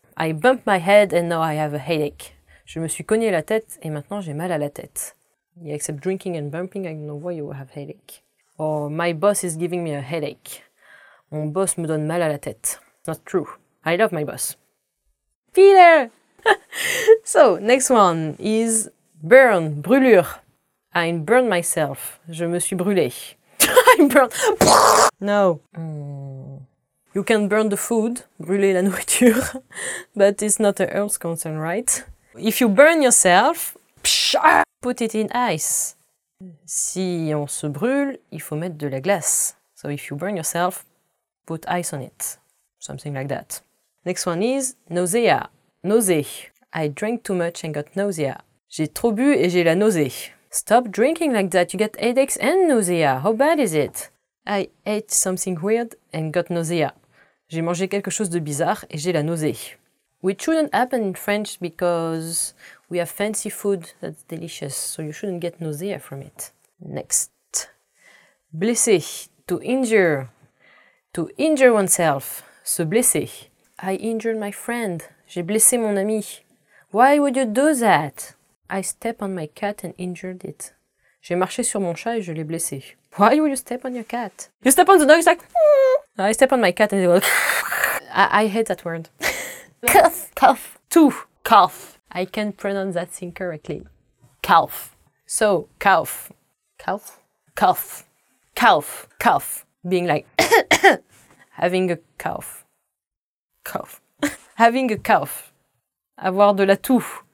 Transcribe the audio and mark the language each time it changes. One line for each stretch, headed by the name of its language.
English: I bumped my head and now I have a headache.
French: Je me suis cogné la tête et maintenant j'ai mal à la tête.
English: Yeah, except drinking and bumping, I don't know why you have headache. Or my boss is giving me a headache.
French: Mon boss me donne mal à la tête.
English: Not true. I love my boss. Peter! So, next one is burn, brûlure. I burned myself.
French: Je me suis brûlé.
English: I burned. No. You can burn the food,
French: brûler la nourriture,
English: but it's not a health concern, right? If you burn yourself, put it in ice.
French: Si on se brûle, il faut mettre de la glace.
English: So if you burn yourself, put ice on it. Something like that. Next one is nausea. Nausea. I drank too much and got nausea.
French: J'ai trop bu et j'ai la nausée.
English: Stop drinking like that, you get headaches and nausea. How bad is it? I ate something weird and got nausea.
French: J'ai mangé quelque chose de bizarre et j'ai la nausée.
English: Which shouldn't happen in French because we have fancy food that's delicious, so you shouldn't get nausea from it. Next. Blessé. To injure. To injure oneself.
French: Se blesser.
English: I injured my friend.
French: J'ai blessé mon ami.
English: Why would you do that? I stepped on my cat and injured it.
French: J'ai marché sur mon chat et je l'ai blessé.
English: Why would you step on your cat? You step on the dog, it's like... I step on my cat and it goes... I hate that word. Cough. Cough. Two. Cough. I can't pronounce that thing correctly. Cough. So, cough. Cough? Cough. Cough. Cough. Being like... Having a cough. Cough. Having a cough.
French: Avoir de la toux.